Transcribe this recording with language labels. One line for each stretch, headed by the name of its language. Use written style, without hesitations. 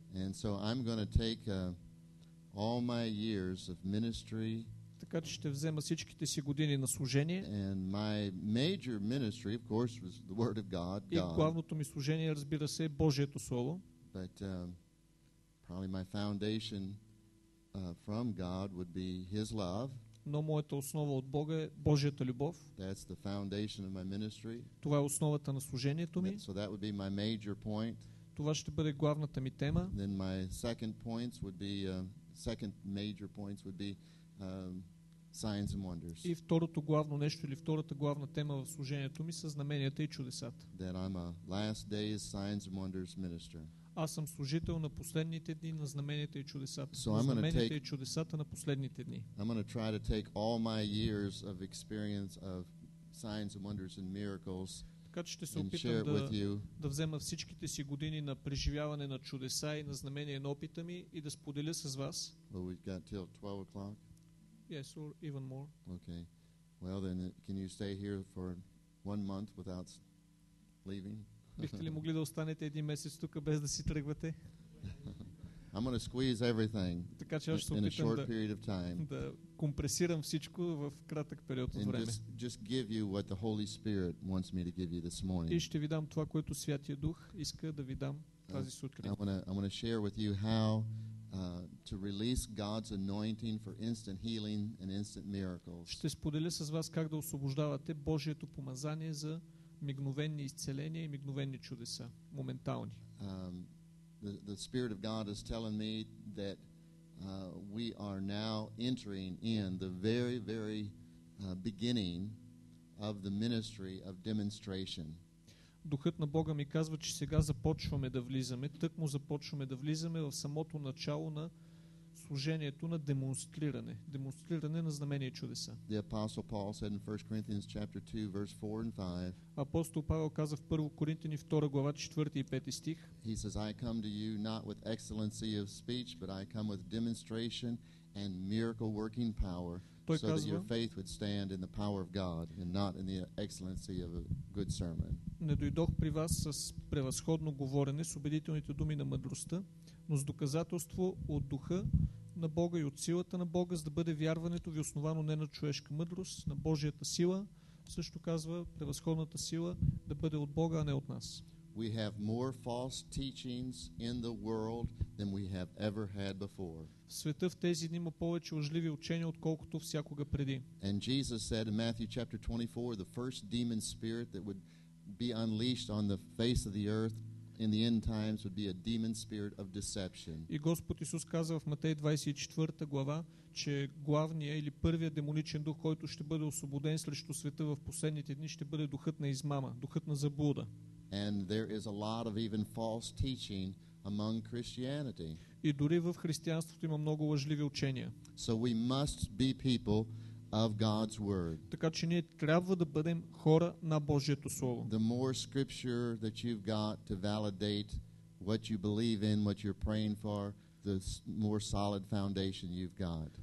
English: And so I'm going to take all my years of ministry.
Bulgarian: Така че ще взема всичките си години на служение.
English: And my major ministry, of course, was the word of God.
Bulgarian: И главното ми служение, разбира се, е Божието слово.
English: But probably my foundation from God would be His love.
Bulgarian: Но моята основа от Бога е Божията любов.
English: That's the foundation of my ministry.
Bulgarian: Това е основата на служението ми.
English: So that would be my major point.
Bulgarian: Това ще бъде главната ми тема.
English: And then my second points would be second major points would be signs and wonders.
Bulgarian: И второто главно нещо или втората главна тема в служението ми са знаменията и чудесата.
English: That I'm a last days signs and wonders minister.
Bulgarian: Аз съм служител на последните дни на знаменията и чудесата. Знаменията и чудесата на последните дни.
English: I'm going to try to take all my years of experience of signs and wonders and miracles.
Bulgarian: Така че ще се опитам да взема всичките си години на преживяване на чудеса и на знамения на опита ми и да споделя с вас.
English: Well, we've got till 12 o'clock. Yes, or even more. Okay. Well, then can you stay here for one month without leaving?
Bulgarian: Бихте ли могли да останете един месец тук без да си тръгвате?
English: I'm going to squeeze everything.
Bulgarian: Така че аз ще опитам да компресирам всичко в кратък период от време.
English: Just give you what the Holy Spirit wants me to give you this morning.
Bulgarian: И ще ви дам това, което Святия Дух иска да ви дам тази сутрин.
English: I want to share with you how to release God's anointing for instant healing and instant miracles.
Bulgarian: Ще споделя с вас как да освобождавате Божието помазание за мигновени изцеления и мигновени чудеса, моментални.
English: The Spirit of God is telling me that we are now entering in the very, very beginning of the ministry of demonstration.
Bulgarian: Духът на Бога ми казва, че сега започваме да влизаме, тъкмо започваме да влизаме в самото начало на служението на демонстриране, демонстриране на знамения и чудеса.
English: The Apostle Paul said in 1 Corinthians chapter 2 verse 4 and 5.
Bulgarian: Апостол Павел каза в 1 Коринтяни 2 глава 4 и 5 стих.
English: He says, I come to you not with excellency of speech, but I come with demonstration and miracle working power.
Bulgarian: Той казва,
English: so that your faith would stand in the power of God and not in the excellency of a good sermon.
Bulgarian: Не дойдох при вас с превъзходно говорене, с убедителните думи на мъдростта, но с доказателство от духа на Бога и от силата на Бога, за да бъде вярването ви основано не на човешка мъдрост, на Божията сила, също казва превъзходната сила, да бъде от Бога, а не от нас.
English: We have more false teachings in the world than we have ever had before.
Bulgarian: В света в тези дни има повече лъжливи учения, отколкото всякога преди.
English: And Jesus said in Matthew chapter 24, the first demon spirit that would be unleashed on the face of the earth in the end times would be a demon spirit of deception.
Bulgarian: И Господ Исус каза в Матей 24 глава, че главният или първият демоничен дух, който ще бъде освободен срещу света в последните дни, ще бъде духът на измама, духът на заблуда.
English: And there is a lot of even false teaching among Christianity.
Bulgarian: И дори в християнството има много лъжливи учения.
English: So we must be people of God's word.
Bulgarian: Така че ние трябва да бъдем хора на Божието слово.
English: The more scripture that you've got to validate what you believe in, what you're praying for, the more solid foundation you've got.